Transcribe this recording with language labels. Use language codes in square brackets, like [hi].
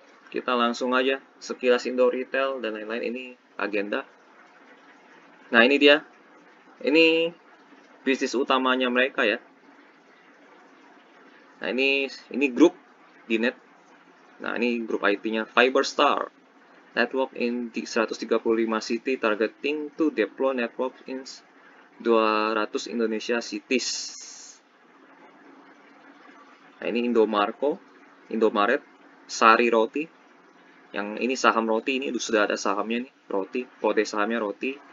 [id] Kita langsung aja sekilas Indo Retail dan lain-lain, ini agenda. Nah, ini dia. Ini bisnis utamanya mereka ya. Nah, ini grup di net. Nah, ini grup IT-nya Fiberstar. [en] Network in 135 city targeting to deploy network in 200 Indonesia cities. [id] Nah, ini Indomarko, Indomaret, Sari Roti. Yang ini saham roti, ini sudah ada sahamnya nih, roti, kode sahamnya roti.